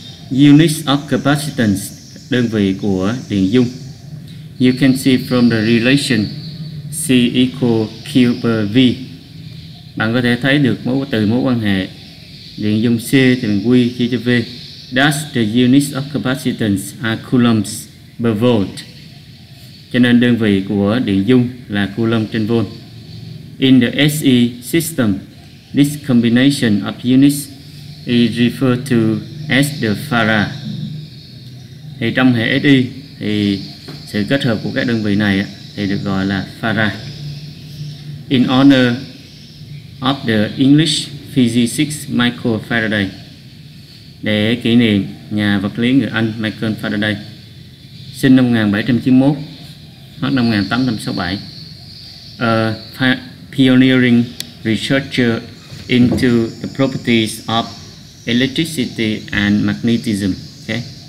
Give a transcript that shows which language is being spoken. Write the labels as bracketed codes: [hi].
[en] Units of capacitance, [vi] đơn vị của điện dung. [en] You can see from the relation C equal Q per V. [vi] Bạn có thể thấy được từ mối quan hệ điện dung C thì bằng V chia cho V. [en] Thus the units of capacitance are coulombs per volt. [vi] Cho nên đơn vị của điện dung là coulomb trên volt. [en] In the SE system, this combination of units is referred to S the farad. [vi] Thì trong hệ SI thì sự kết hợp của các đơn vị này thì được gọi là farad. [en] In honor of the English physicist Michael Faraday, [vi] để kỷ niệm nhà vật lý người Anh Michael Faraday, sinh năm 1791 hoặc năm 1867, [en] a pioneering researcher into the properties of electricity and magnetism. [vi] Okay.